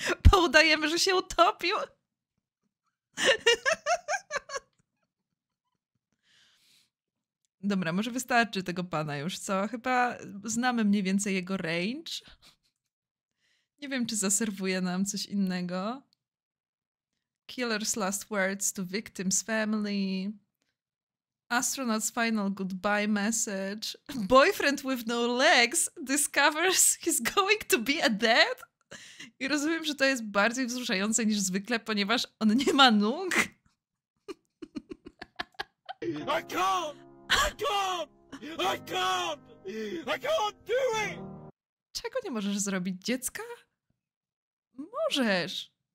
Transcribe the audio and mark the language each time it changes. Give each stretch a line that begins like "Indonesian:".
Polish: Bo udajemy, że się utopił. Dobra, może wystarczy tego pana już, co? Chyba znamy mniej więcej jego range. Nie wiem, czy zaserwuje nam coś innego.
English: Killer's last words to victim's family. Astronaut's final goodbye message. Boyfriend with no legs discovers he's going to be a dad.
Polish: I rozumiem, że to jest bardziej wzruszające niż zwykle, ponieważ on nie ma nóg.
English: I can't! I can't! I can't! I can't do it!
Polish: Czego nie możesz zrobić, dziecka? Możesz.